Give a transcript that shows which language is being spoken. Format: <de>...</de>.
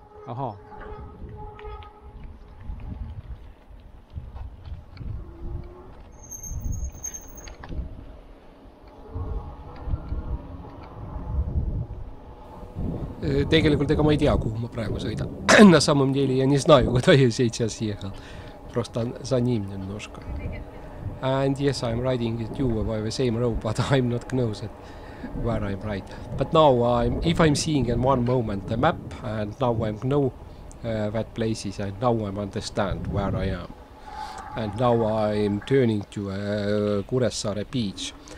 <et>Aha. Tegelikult ega ma ei tea, kuhu ma praegu sõidan.</et> <ru>На самом деле я не знаю, куда я сейчас ехал. Просто за ним немножко.</ru> <en>And yes, I'm riding with you by the same road, but I'm not close where I'm right. But now I'm, if I'm seeing in one moment the map and now I'm know that places and now I'm understand where I am. And now I'm turning to Kuressaare beach.</en>